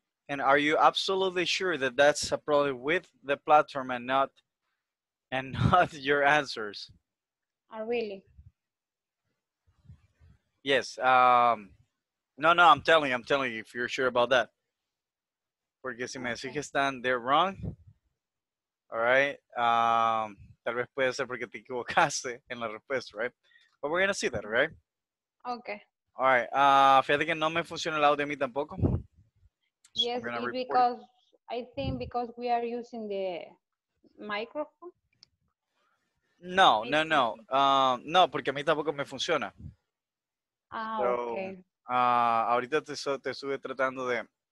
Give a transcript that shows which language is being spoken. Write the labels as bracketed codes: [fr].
[en] And are you absolutely sure that that's a problem with the platform and not your answers? Really? Yes. No, I'm telling you if you're sure about that. [es] Porque si me decís que están, [en] they're wrong. All right. [es] Tal vez puede ser porque te equivocaste en la respuesta, right? [en] But we're going to see that, right? Okay. All right. [es] Fíjate que no me funciona el audio a mí tampoco. [en] Yes, because I think because we are using the microphone. [es] No. No, porque a mí tampoco me funciona. Ahorita te estuve tratando de...